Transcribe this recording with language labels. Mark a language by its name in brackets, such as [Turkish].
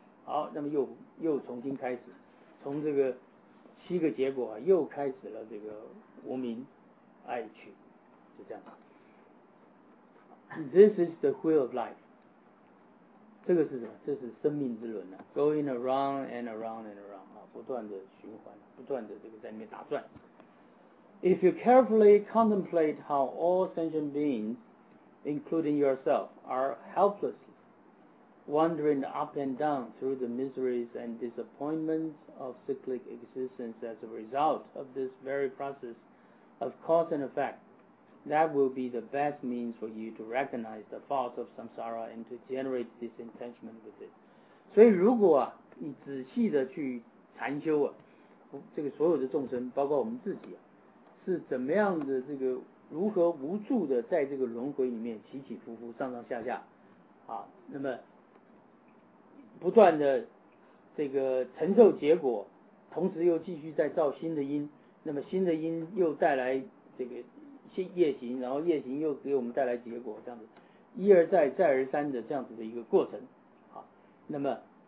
[Chinese] 好，那么又重新开始，从这个七个结果、啊、又开始了这个无明爱取，就这样。 [English] This is the wheel of life。 [Chinese] 这个是什么？这是生命之轮呢、啊、， [English] going around and around and around。 [Chinese] 不断的循环，不断的这个在里面打转。 [English] If you carefully contemplate how all sentient beings, including yourself, are helpless, wandering up and down through the miseries and disappointments of cyclic existence as a result of this very process of cause and effect, That will be the best means for you to recognize the faults of samsara and to generate disentanglement with it. [Chinese] 所以如果啊，你仔细的去禅修啊，这个所有的众生，包括我们自己啊，是怎么样的这个如何无助的在这个轮回里面起起伏伏上上下下，啊，那么不断的这个承受结果，同时又继续在造新的因，那么新的因又带来这个业行，然后业行又给我们带来结果，这样子一而再再而三的这样子的一个过程，啊，那么